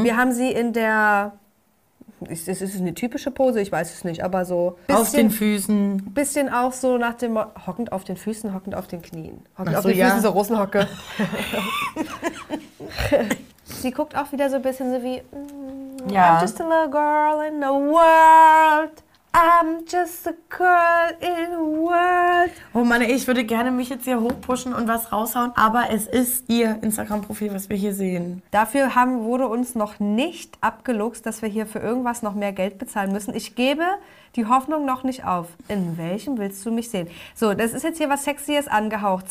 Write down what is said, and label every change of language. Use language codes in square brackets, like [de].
[de] Wir haben sie in der... Es ist eine typische Pose, ich weiß es nicht, aber so... Bisschen, auf den Füßen. Bisschen auch so nach dem... Hockend auf den Füßen, hockend auf den Knien. Hockend auf den Füßen, ja. So Russenhocke. Sie guckt auch wieder so ein bisschen so wie... Ja. [en] I'm just a little girl in the world. I'm just a girl in the world. [de] Oh Mann, ich würde gerne mich jetzt hier hochpushen und was raushauen, aber es ist ihr Instagram-Profil, was wir hier sehen. Dafür wurde uns noch nicht abgeluchst, dass wir hier für irgendwas noch mehr Geld bezahlen müssen. Ich gebe die Hoffnung noch nicht auf. In welchem willst du mich sehen? So, das ist jetzt hier was Sexyes angehaucht.